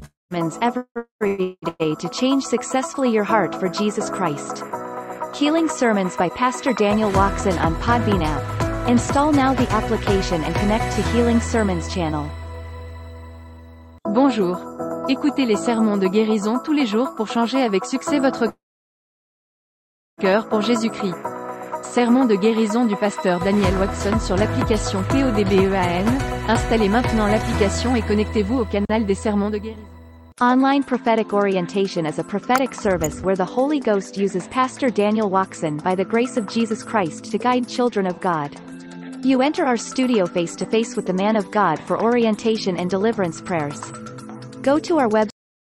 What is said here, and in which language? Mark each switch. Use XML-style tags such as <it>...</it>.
<en>Every day to change successfully your heart for Jesus Christ. Healing Sermons by Pastor Daniel Watson on Podbean app. Install now the application and connect to Healing Sermons channel.</en> <fr>Bonjour. Écoutez les sermons de guérison tous les jours pour changer avec succès votre cœur pour Jésus-Christ. Sermon de guérison du pasteur Daniel Watson sur l'application TODBEAN. Installez maintenant l'application et connectez-vous au canal des sermons de guérison.</fr> <en>Online Prophetic Orientation is a prophetic service where the Holy Ghost uses Pastor Daniel Watson by the grace of Jesus Christ to guide children of God. You enter our studio face to face with the man of God for orientation and deliverance prayers. Go to our website.</en>